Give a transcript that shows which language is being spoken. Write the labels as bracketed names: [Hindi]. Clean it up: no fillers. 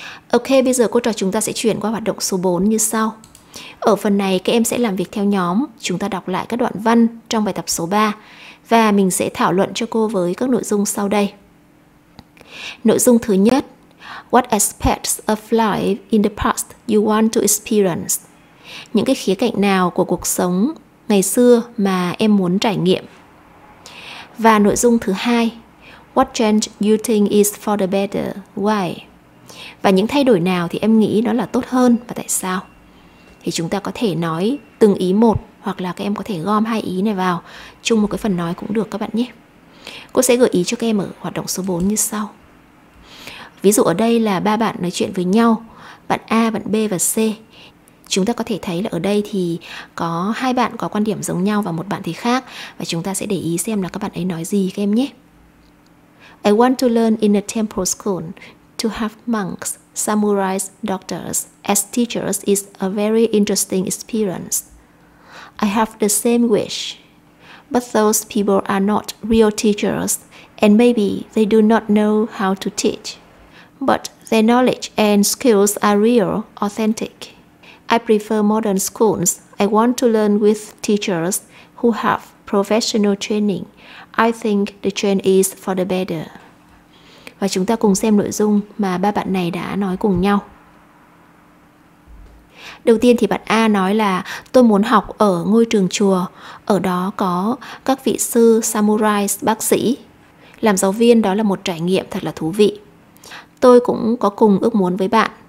[Vietnamese] Ok, bây giờ cô trò chúng ta sẽ chuyển qua hoạt động số 4 như sau. Ở phần này các em sẽ làm việc theo nhóm, chúng ta đọc lại các đoạn văn trong bài tập số 3 và mình sẽ thảo luận cho cô với các nội dung sau đây. Nội dung thứ nhất, [English] what aspects of life in the past you want to experience? [Vietnamese] Những cái khía cạnh nào của cuộc sống ngày xưa mà em muốn trải nghiệm? Và nội dung thứ hai, [English] what change you think is for the better? Why? [Vietnamese] Và những thay đổi nào thì em nghĩ nó là tốt hơn và tại sao? Thì chúng ta có thể nói từng ý một, hoặc là các em có thể gom hai ý này vào chung một cái phần nói cũng được các bạn nhé. Cô sẽ gợi ý cho các em ở hoạt động số 4 như sau. Ví dụ ở đây là ba bạn nói chuyện với nhau, bạn A, bạn B và C. Chúng ta có thể thấy là ở đây thì có hai bạn có quan điểm giống nhau và một bạn thì khác. Và chúng ta sẽ để ý xem là các bạn ấy nói gì các em nhé. [English] I want to learn in a temple school to have monks, samurais, doctors as teachers is a very interesting experience. I have the same wish, but those people are not real teachers and maybe they do not know how to teach. But their knowledge and skills are real, authentic. I prefer modern schools. I want to learn with teachers who have professional training. I think the change is for the better. [Vietnamese] Và chúng ta cùng xem nội dung mà ba bạn này đã nói cùng nhau. Đầu tiên thì bạn A nói là tôi muốn học ở ngôi trường chùa. Ở đó có các vị sư, samurai, bác sĩ. Làm giáo viên đó là một trải nghiệm thật là thú vị. Tôi cũng có cùng ước muốn với bạn.